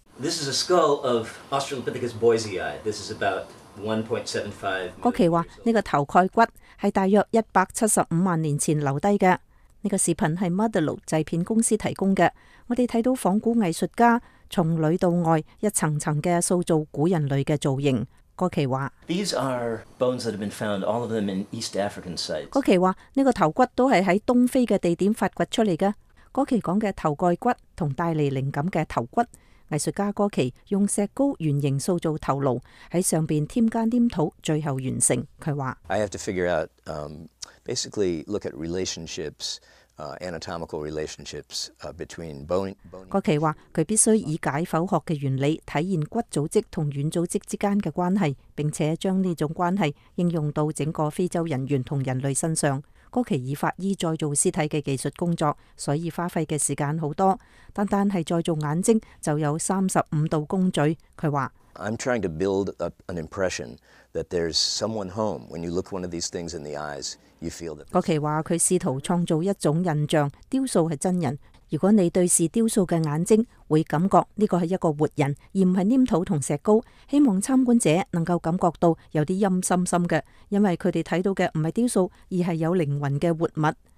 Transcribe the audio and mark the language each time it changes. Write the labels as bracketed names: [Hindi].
[English] This is a skull of Australopithecus Boisei. This is about 1.75. [Chinese] 郭奇说，这个头盖骨是大约175万年前留下的。这个视频是 Modelo 制片公司提供的，我们看到仿古艺术家从里到外一层层的塑造古人类的造型。郭奇说， [English] These are bones that have been found, all of them in East African sites. [Chinese] 郭奇说，这个头骨都是在东非的地点发掘出来的。郭奇说的头盖骨和带来灵感的头骨，艺术家郭奇用石膏圆形塑造头颅，在上面添加黏土，最后完成。他说， [English] I have to figure out, basically look at relationships. Anatomical relationships between bone. [Chinese] 郭奇说，他必须以解剖学的原理体现骨组织和软组织之间的关系，并且将这种关系应用到整个非洲人员和人类身上。郭奇以法医再做尸体的技术工作，所以花费的时间很多，单单是再做眼睛就有35道工序。他说， [English] I'm trying to build up an impression that there's someone home. When you look one of these things in the eyes, [Chinese] 郭奇说，他试图创造一种印象，雕塑是真人。如果你对视雕塑的眼睛，会感觉这个是一个活人，而不是黏土和石膏。希望参观者能够感觉到有点阴森森的，因为他们看到的不是雕塑，而是有灵魂的活物。